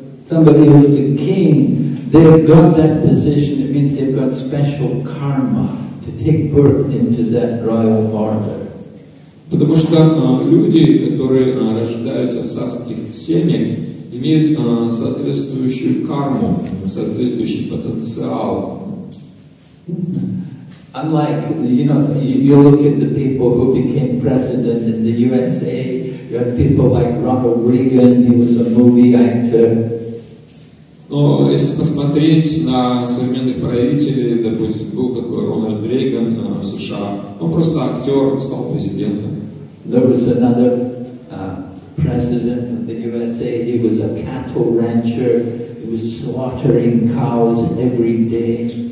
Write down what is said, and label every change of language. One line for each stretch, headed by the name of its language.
English: Somebody who is a king, they've got that position, it means they've got special karma to take birth into that royal order.
Russian: Потому что люди, которые рождаются в царских семьях, имеют соответствующую карму, соответствующий потенциал.
English: Unlike, you look at the people who became president in the USA, you have people like Ronald Reagan, he was a movie actor.
Russian: Но если посмотреть на современных правителей, допустим, был такой Рональд Рейган в США, он просто актер, стал президентом.
English: There was another president of the USA, he was a cattle rancher, he was slaughtering cows every day.